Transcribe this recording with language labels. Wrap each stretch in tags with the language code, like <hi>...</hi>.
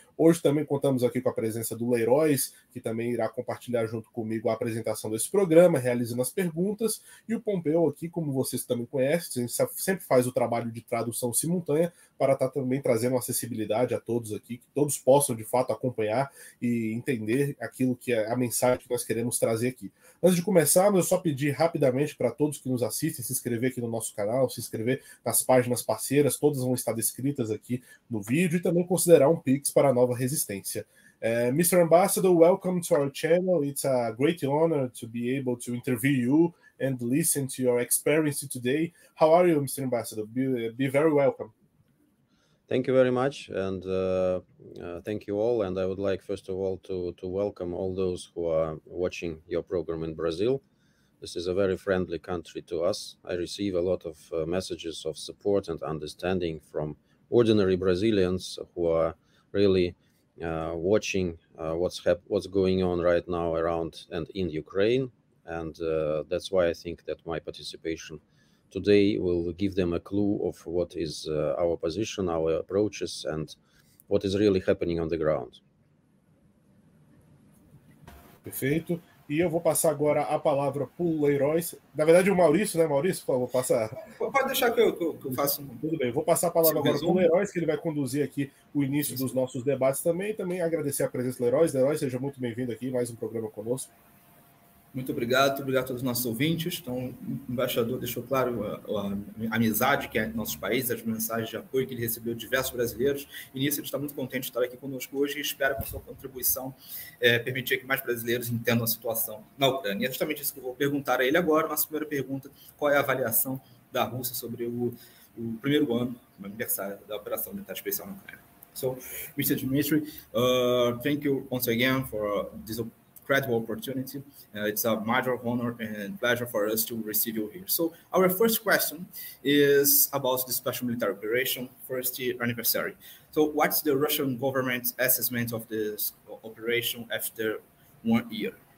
<pt>Hoje também contamos aqui com a presença do Leiróis, que também irá compartilhar junto comigo a apresentação desse programa, realizando as perguntas, e o Pompeu aqui, como vocês também conhecem, sempre faz o trabalho de tradução simultânea para estar também trazendo acessibilidade a todos aqui, que todos possam de fato acompanhar e entender aquilo que é a mensagem que nós queremos trazer aqui. Antes de começarmos, eu só pedir rapidamente para todos que nos assistem se inscrever aqui no nosso canal, se inscrever nas páginas parceiras, todas vão estar descritas aqui no vídeo, e também considerar um Pix para a Nova Resistência.</pt> <en>Mr. Ambassador, welcome to our channel. It's a great honor to be able to interview you and listen to your experience today. How are you, Mr. Ambassador? Be very welcome. Thank you very much, and thank you all. And I would like, first of all, to welcome all those who are watching your program in Brazil. This is a very friendly country to us. I receive a lot of messages of support and understanding from ordinary Brazilians who are really watching what's going on right now around and in Ukraine. And that's why I think that my participation today will give them a clue of what is our position, our approaches, and what is really happening on the ground.</en> <pt>Perfeito. E eu vou passar agora a palavra para o Leiróis. Na verdade, o Maurício, né, Maurício? Por favor, passa. Pode deixar que eu faça. Tudo bem. Vou passar a palavra agora para o Leiróis, que ele vai conduzir aqui o início dos nossos debates também. E também agradecer a presença do Leiróis. Leiróis, seja muito bem-vindo aqui, mais um programa conosco. Muito obrigado a todos os nossos ouvintes. Então, o embaixador deixou claro a amizade que é entre nossos países, as mensagens de apoio que ele recebeu de diversos brasileiros. E nisso, ele está muito contente de estar aqui conosco hoje e espera que a sua contribuição permitir que mais brasileiros entendam a situação na Ucrânia. E é justamente isso que eu vou perguntar a ele agora. Nossa primeira pergunta: qual é a avaliação da Rússia sobre o primeiro ano, o aniversário da Operação Militar Especial na Ucrânia?</pt> <en>So, Mr. Dmitry, thank you once again for this incredible opportunity. It's a major honor and pleasure for us to receive you here. So our first question is about the special military operation first year anniversary. So what's the Russian government's assessment of this operation after 1 year?</en>